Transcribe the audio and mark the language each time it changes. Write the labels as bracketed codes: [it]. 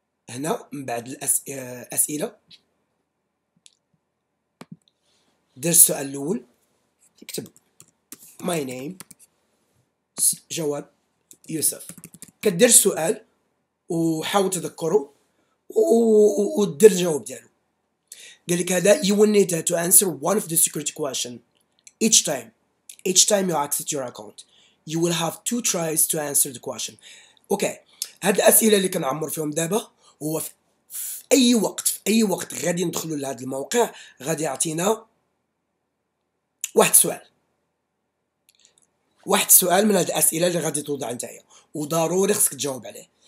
[ar] هنا من بعد الأسئلة دير السؤال الأول، اكتب [en] my name، [ar] جواب يوسف. كدير السؤال وحاول تذكره ودير الجواب ديالو. قال لك هذا [en] you will need to answer one of the security question each time. Each time you access your account you will have two tries to answer the question. [ar] اوكي، هاد الأسئلة اللي كنعمر فيهم دابا هو في اي وقت، في اي وقت غادي ندخلوا لهذا الموقع غادي يعطينا واحد السؤال، واحد السؤال من هذه الاسئله اللي غادي توضع نتايا، وضروري خصك تجاوب عليه.